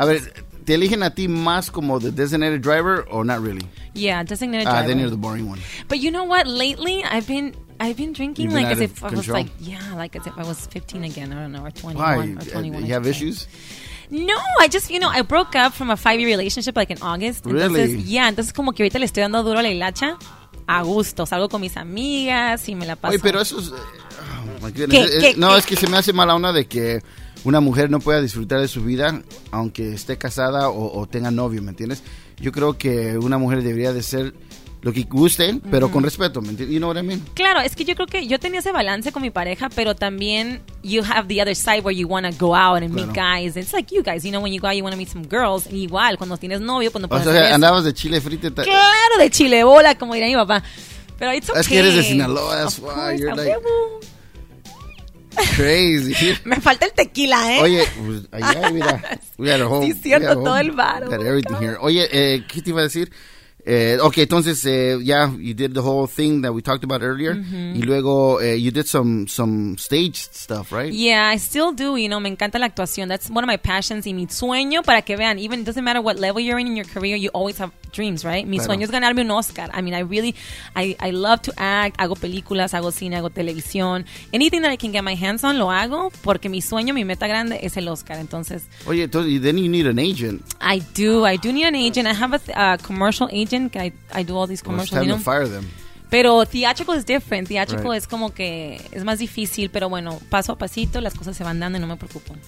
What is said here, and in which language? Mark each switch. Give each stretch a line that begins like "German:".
Spanish: A ver, ¿te eligen a ti más como
English: the designated driver or not really? Yeah, designated driver. Then you're the boring one. But you know what? Lately, I've been drinking been like as if control? I was like, yeah, like as if I was 15 again. I don't know, or 21. Why? Or 21. You have issues? No, I just, you know, I broke up from a 5-year relationship like in August. Really?
Spanish: Entonces, yeah, entonces como que ahorita le estoy dando duro a la hilacha. A gusto. Salgo con mis amigas y me la paso. Oye, pero eso es... Oh,
English: my goodness.
Spanish: ¿Qué? Es que se me hace mala onda de que una mujer no pueda disfrutar de su vida aunque esté casada o tenga novio, ¿me entiendes? Yo creo que una mujer debería de ser lo que gusten, pero con respeto, ¿me entiendes?
English: You know what I mean?
Spanish: Claro, es que yo creo que yo tenía ese balance con mi pareja, pero también
English: you have the other side where you want to go out and meet guys. It's like you guys, you know, when you go out, you want to meet some girls.
Spanish: Y igual, cuando tienes novio, cuando puedes hacer eso. Andabas de chile frito. Claro, de chile bola, como diría mi papá.
English: Pero it's okay.
Spanish: Es que eres de Sinaloa,
English: that's why. Of course, you're like... Crazy.
Spanish: Me falta el tequila, ¿eh? Oye, allá, mira.
English: We got a whole...
Spanish: Sí, cierto, todo el bar.
English: Got everything here.
Spanish: Oye, ¿qué te iba a decir?
English: Okay,
Spanish: entonces,
English: yeah, you did the whole thing that we talked about earlier. Mm-hmm.
Spanish: Y luego,
English: you did some stage stuff, right? Yeah, I still do. You know,
Spanish: me encanta la actuación.
English: That's one of my passions.
Spanish: Y mi sueño, para que vean,
English: even it doesn't matter what level you're in your career, you always have dreams, right?
Spanish: Mi sueño es ganarme un Oscar.
English: I mean, I love to act.
Spanish: Hago películas, hago cine, hago televisión.
English: Anything that I can get my hands on,
Spanish: lo hago. Porque mi sueño, mi meta grande, es el Oscar. Entonces.
English: Oye, then you need an agent. I do need an agent. I have a commercial agent. I do all these commercials. Well, it's time to fire them. Pero theatrical is different.
Spanish: Theatrical es como que es más difícil, pero bueno, paso a pasito, las cosas se van dando y no me preocupo.